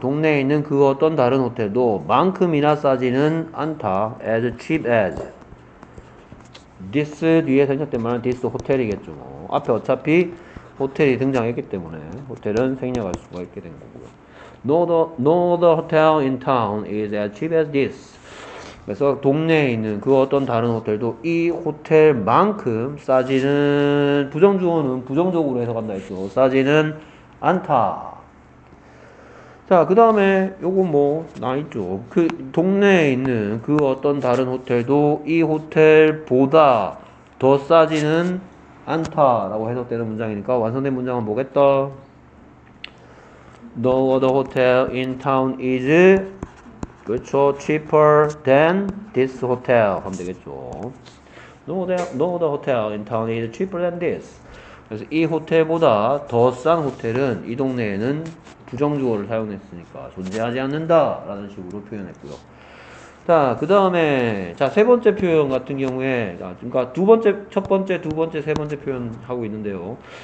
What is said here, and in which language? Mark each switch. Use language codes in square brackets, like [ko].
[ko] 동네에 있는 그 어떤 다른 호텔도 만큼이나 싸지는 않다. [en] as cheap as. [ko] this 뒤에 생략된 말은 this 호텔이겠죠. 뭐. 앞에 어차피, 호텔이 등장했기 때문에 호텔은 생략할 수가 있게 된 거고요. [en] No, the hotel in town is as cheap as this. [ko] 그래서 동네에 있는 그 어떤 다른 호텔도 이 호텔만큼 싸지는 부정주어는 부정적으로 해석한다 했죠. 싸지는 않다. 자, 그 다음에 요거 뭐나 있죠. 그 동네에 있는 그 어떤 다른 호텔도 이 호텔보다 더 싸지는 않다라고 해석되는 문장이니까 완성된 문장은 뭐겠다? [en] No other hotel in town is [ko] 그쵸? [en] cheaper than this hotel [ko] 하면 되겠죠. [en] No other hotel in town is cheaper than this. [ko] 그래서 이 호텔보다 더싼 호텔은 이 동네에는 부정주어를 사용했으니까 존재하지 않는다라는 식으로 표현했고요. 자, 그 다음에, 자, 세 번째 표현 같은 경우에, 자, 그러니까 두 번째, 첫 번째, 두 번째, 세 번째 표현하고 있는데요.